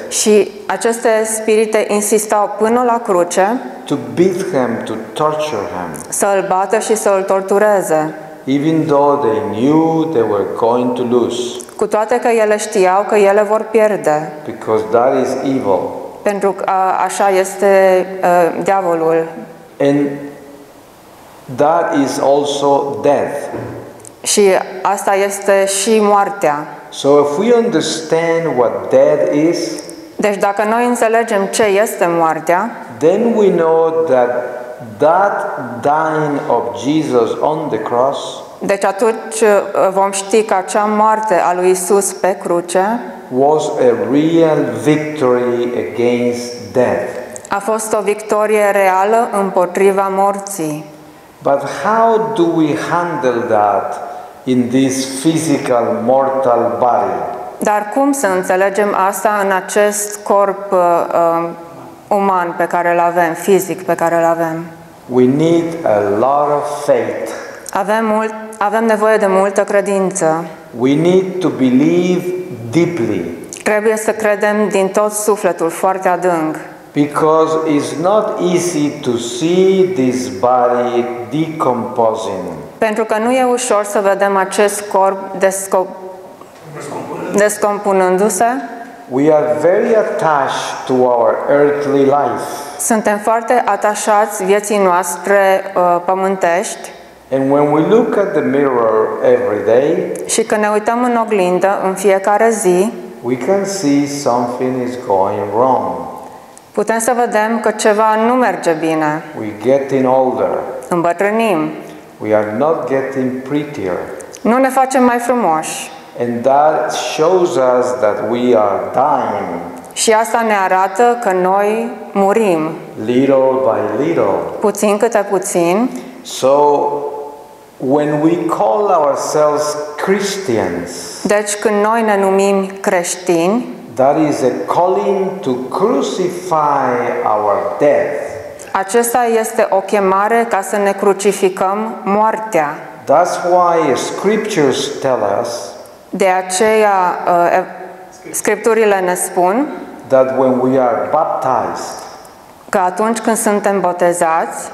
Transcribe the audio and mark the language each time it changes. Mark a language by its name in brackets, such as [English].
[Romanian] Și aceste spirite insistau până la cruce. [English] To beat him, to torture him. [Romanian] Să-l bată și să-l tortureze. [English] Even though they knew they were going to lose. [Romanian] Cu toate că ele știau că ele vor pierde. [English] Because that is evil. [Romanian] Pentru că așa este diavolul. [English] And that is also death. [Romanian] Și asta este și moartea. [English] So if we understand what death is, [Romanian] deci dacă noi înțelegem ce este moartea, [English] then we know that that dying of Jesus on the cross. [Romanian] Deci atunci vom ști că acea moarte a lui Isus pe cruce [English] was a real victory against death. [Romanian] A fost o victorie reală împotriva morții. [English] But how do we handle that in this physical mortal body? [Romanian] Dar cum să înțelegem asta în acest corp uman pe care îl avem, fizic pe care îl avem? [English] We need a lot of faith. [Romanian] Avem nevoie de multă credință. [English] We need to believe deeply. [Romanian] Trebuie să credem din tot sufletul, foarte adânc. [English] Because it's not easy to see this body decomposing. [Romanian] Pentru că nu e ușor să vedem acest corp descompunându-se. [English] We are very attached to our earthly life. [Romanian] Suntem foarte atașați vieții noastre pământești. [English] And when we look at the mirror every day, [Romanian] și când ne uităm în oglindă în fiecare zi, [English] we can see something is going wrong. [Romanian] Putem să vedem că ceva nu merge bine. [English] We getting older. [Romanian] Îmbătrânim. [English] We are not getting prettier. [Romanian] Nu ne facem mai frumoși. [English] And that shows us that we are dying. [Romanian] Și asta ne arată că noi murim. [English] Little by little. [Romanian] Puțin câte puțin. [English] So when we call ourselves Christians. [Romanian] Deci când noi ne numim creștini, [English] that is a calling to crucify our death. [Romanian] Acesta este o chemare ca să ne crucificăm moartea. [English] That's why scriptures tell us. [Romanian] De aceea scripturile ne spun [English] that when we are baptized, [Romanian] că atunci când suntem botezați,